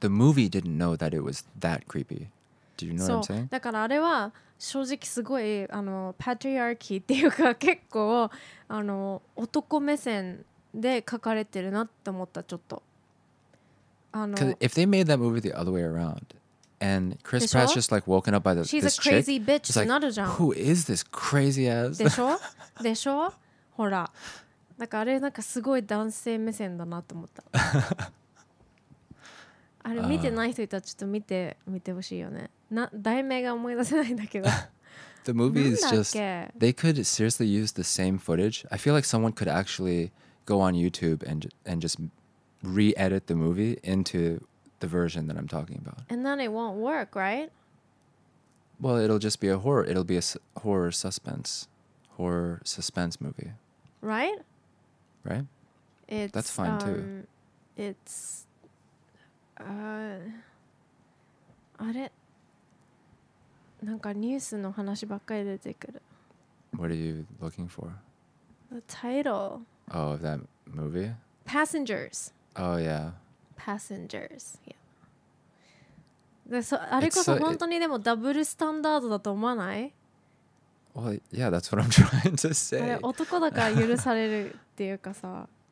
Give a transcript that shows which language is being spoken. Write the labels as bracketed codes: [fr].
[en] The movie didn't know that it was that creepy. Do you know what I'm saying? [ja] だからあれは正直すごいあのパトリアーキーっていうか結構あの男目線で書かれてるなって思ったちょっと [en] あの Cause if they made that movie the other way around and Chris Pratt's just like woken up by this chick She's a crazy bitch It's like, [ja] なるじゃん [en] Who is this crazy ass? [ja] でしょでしょほらだからあれなんかすごい男性目線だなって思ったあれ見てない人いたらちょっと見てほしいよねな題名が思い出せないんだけど [en] The movie is just They could seriously use the same footage I feel like someone could actually Go on YouTube and just Re-edit the movie into The version that I'm talking about And then it won't work, right? Well, it'll just be a horror It'll be a horror suspense Horror suspense movie Right? Right? It's, That's fine too [ja] It's あれなんかニュースの話ばっかり出てくる。 [en] What are you looking for? The title. Oh, of that movie? Passengers. Oh, yeah. Passengers, yeah. [ja] あれこそ本当にでもダブルスタンダードだと思わない？ [en] Well, yeah, that's what I'm trying to say. [ja] 男だから許されるっていうかさ。